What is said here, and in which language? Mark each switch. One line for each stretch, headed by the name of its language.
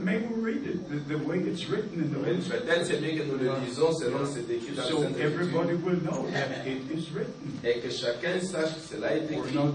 English: May we read it the way it's written in the Bible.
French: Peut-être c'est bien que nous le lisons selon cet écrit dans Saint-Écriture.
English: So everybody will know that it is written.
French: Et que chacun sache que cela est écrit.